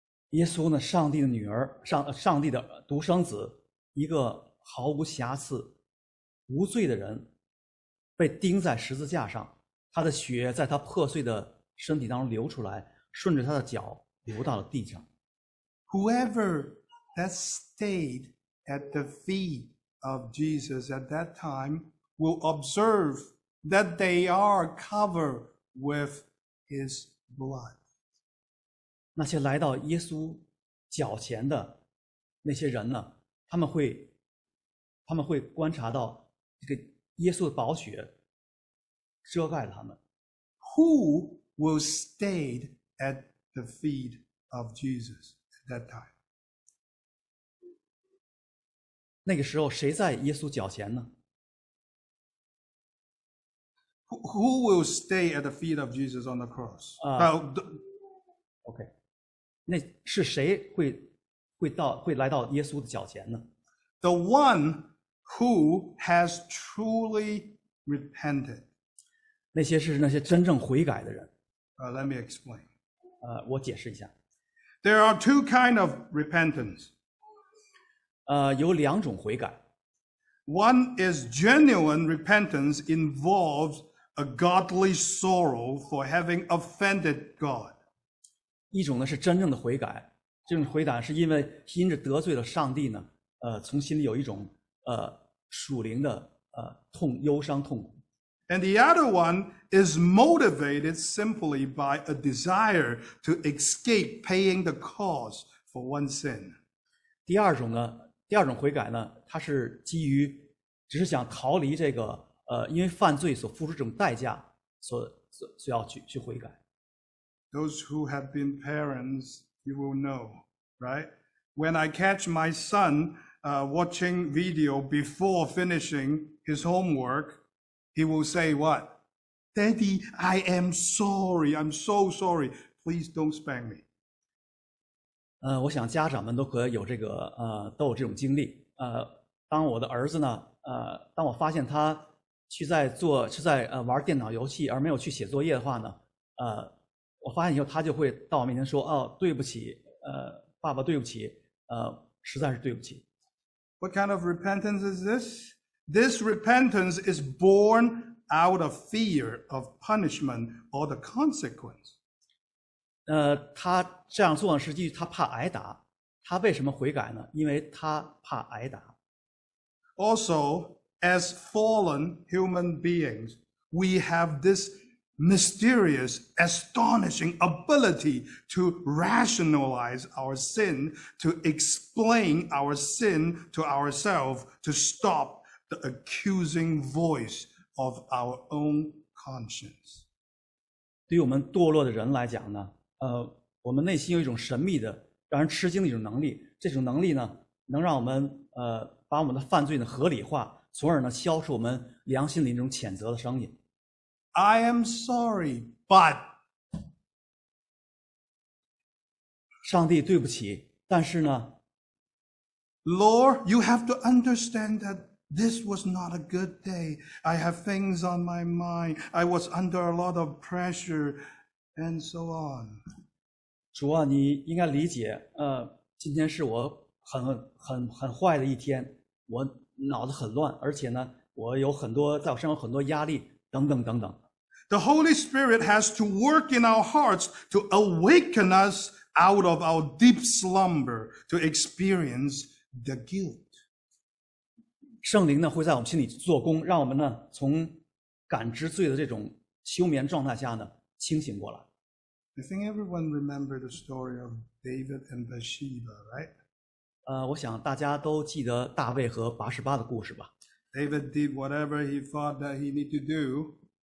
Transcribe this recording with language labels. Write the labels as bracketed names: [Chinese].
[Chinese] 耶稣呢，上帝的女儿，上帝的独生子，一个毫无瑕疵。无罪的人被钉在十字架上，他的血在他破碎的身体当中流出来，顺着他的脚流到了地上。 [English] Whoever that stayed at the feet of Jesus at that time will observe that they are covered with his blood. [Chinese] 那些来到耶稣脚前的那些人呢，他们会观察到这个耶稣的宝血遮盖了他们。 [English] Who will stay at the feet of Jesus at that time? [Chinese] 那个时候谁在耶稣脚前呢？ [English] Who will stay at the feet of Jesus on the cross? Okay. [Chinese] 那是谁会来到耶稣的脚前呢？ [English] The one... Who has truly repented? [Chinese] 那些是那些真正悔改的人。 [English] Let me explain. [Chinese] 我解释一下。 [English] There are two kinds of repentance. [Chinese] 有两种悔改。 [English] One is genuine repentance involves a godly sorrow for having offended God. [Chinese] 一种呢是真正的悔改，这种悔改是因为因着得罪了上帝呢，从心里有一种属灵的忧伤痛苦。 [English] And the other one is motivated simply by a desire to escape paying the cost for one's sin. [Chinese] 第二种呢，第二种悔改呢，它是基于只是想逃离这个因为犯罪所付出这种代价，所要去悔改。 [English] Those who have been parents, you will know, right? When I catch my son watching video before finishing his homework, he will say what? Daddy, I am sorry. I'm so sorry. Please don't spank me. [Chinese] 我想家长们都可有这个都有这种经历。当我的儿子呢，当我发现他去在玩电脑游戏而没有去写作业的话呢，我发现以后他就会到我面前说，哦，对不起，爸爸对不起，实在是对不起。 [English] What kind of repentance is this? This repentance is born out of fear of punishment or the consequence. [Chinese] 他这样做呢，实际他怕挨打。他为什么悔改呢？因为他怕挨打。 [English] Also, as fallen human beings, we have this mysterious, astonishing ability to rationalize our sin, to explain our sin to ourselves, to stop the accusing voice of our own conscience. [Chinese] 对于我们堕落的人来讲呢，我们内心有一种神秘的、让人吃惊的一种能力。这种能力呢，能让我们把我们的犯罪呢合理化，从而呢消除我们良心里那种谴责的声音。 [English] I am sorry, but [Chinese] 上帝对不起，但是呢 [English] ，Lord, you have to understand that this was not a good day. I have things on my mind. I was under a lot of pressure, and so on. [Chinese] 主啊，你应该理解，今天是我很坏的一天，我脑子很乱，而且呢，我有很多在我身上有很多压力，等等等等。 [English] The Holy Spirit has to work in our hearts to awaken us out of our deep slumber to experience the guilt. [Chinese] 圣灵呢会在我们心里做工，让我们呢从感知罪的这种休眠状态下呢清醒过来。 [English] I think everyone remember the story of David and Bathsheba, right? [Chinese] 我想大家都记得大卫和拔示巴的故事吧。 [English] David did whatever he thought that he needed to do.